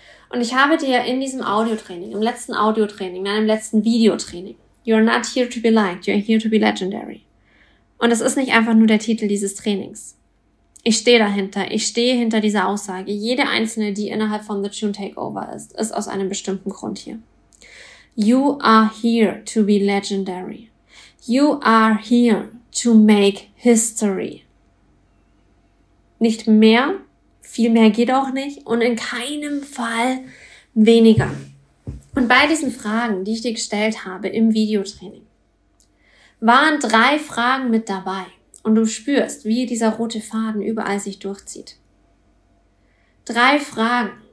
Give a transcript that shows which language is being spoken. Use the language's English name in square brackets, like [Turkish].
[German] Und ich habe dir in diesem Audiotraining, im letzten Audiotraining, nein, im letzten Videotraining, [English] you're not here to be liked, you're here to be legendary. [German] Und es ist nicht einfach nur der Titel dieses Trainings. Ich stehe dahinter, ich stehe hinter dieser Aussage. Jede einzelne, die innerhalb von The June Takeover ist, ist aus einem bestimmten Grund hier. [English] You are here to be legendary. You are here to make history. [German] Nicht mehr, viel mehr geht auch nicht und in keinem Fall weniger. Und bei diesen Fragen, die ich dir gestellt habe im Videotraining, waren 3 Fragen mit dabei und du spürst, wie dieser rote Faden überall sich durchzieht. 3 Fragen.